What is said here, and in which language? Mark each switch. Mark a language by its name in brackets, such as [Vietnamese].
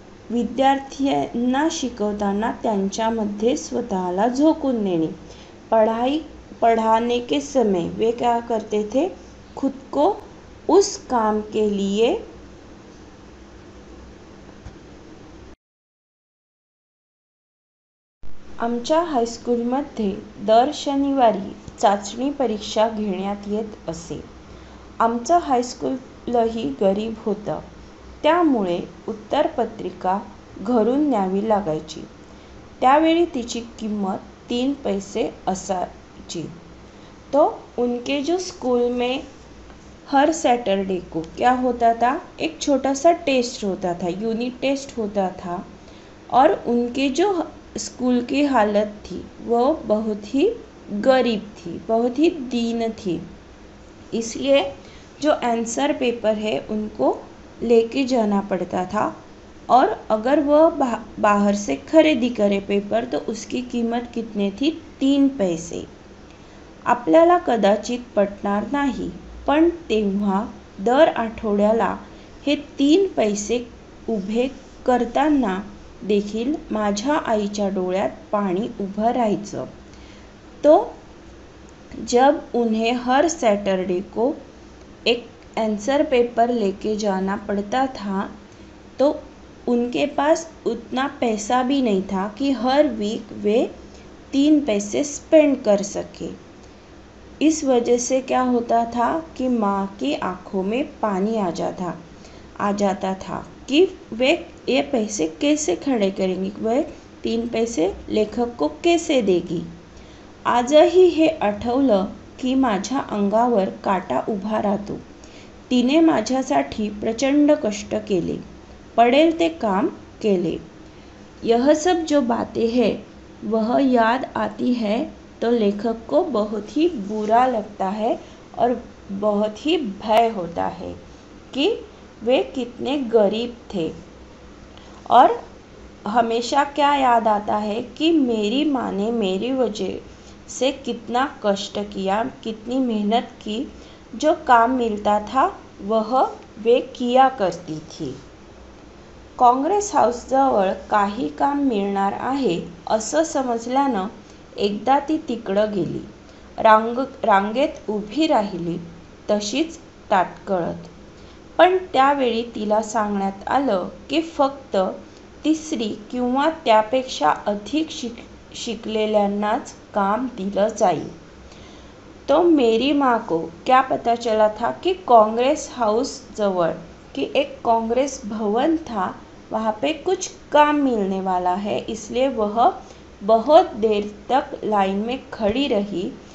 [Marathi] विद्यार्थ्यांना शिकवताना त्यांच्यामध्ये स्वतःला झोकून देणे, [Hindi] पढ़ाई पढ़ाने के समय वे क्या करते थे, खुद को उस काम के लिए [Marathi] आमच्या हायस्कूलमध्ये दर शनिवारी चाचणी परीक्षा घेण्यात येत असे। आमचं हायस्कूलही गरीब होतं त्यामुळे उत्तरपत्रिका घरून न्यावी लागायची, त्यावेळी तिची किंमत 3 पैसे असायची। [Hindi] तो उनके जो स्कूल में हर सैटरडे को क्या होता था, एक छोटा सा टेस्ट होता था, यूनिट टेस्ट होता था। और उनके जो स्कूल की हालत थी वो बहुत ही गरीब थी, बहुत ही दीन थी, इसलिए जो आंसर पेपर है उनको लेके जाना पड़ता था। और अगर वह बाहर से खरीदी करे पेपर तो उसकी कीमत कितने थी, 3 पैसे। [Marathi] आपल्याला कदाचित पटणार नाही पण तेव्हा दर आठवड्याला हे 3 पैसे उभे करताना देखील माझ्या आईच्या डोळ्यात पाणी उभं राहायचं। [Hindi] तो जब उन्हें हर सैटरडे को एक आंसर पेपर लेके जाना पड़ता था तो उनके पास उतना पैसा भी नहीं था कि हर वीक वे 3 पैसे स्पेंड कर सके। इस वजह से क्या होता था कि माँ की आँखों में पानी आ जाता था कि वे ये पैसे कैसे खड़े करेंगी, वह 3 पैसे लेखक को कैसे देगी। [Marathi] आज ही हे आठवलं की माझ्या अंगावर काटा उभा राहतो। तिने माझ्यासाठी प्रचंड कष्ट केले, पडेल ते काम केले। [Hindi] यह सब जो बातें है वह याद आती है तो लेखक को बहुत ही बुरा लगता है और बहुत ही भय होता है कि वे कितने गरीब थे। और हमेशा क्या याद आता है कि मेरी माँ ने मेरी वजह से कितना कष्ट किया, कितनी मेहनत की, जो काम मिलता था वह वे किया करती थी। [Marathi] कांग्रेस हाउस जवळ काही काम मिळणार आहे असं समजल्यानं एकदा ती तिकडं गेली, रांगेत उभी राहिली तशीच ताटकळत। पण त्यावेळी तिला सांगण्यात आलं की फक्त तिसरी किंवा त्यापेक्षा अधिक शिकलेल्यांनाच काम दिलं जाईल। [Hindi] तो मेरी माँ को क्या पता चला था कि कांग्रेस हाउस जवळ कि एक कांग्रेस भवन था वहाँ पे कुछ काम मिलने वाला है, इसलिए वह बहुत देर तक लाइन में खड़ी रही।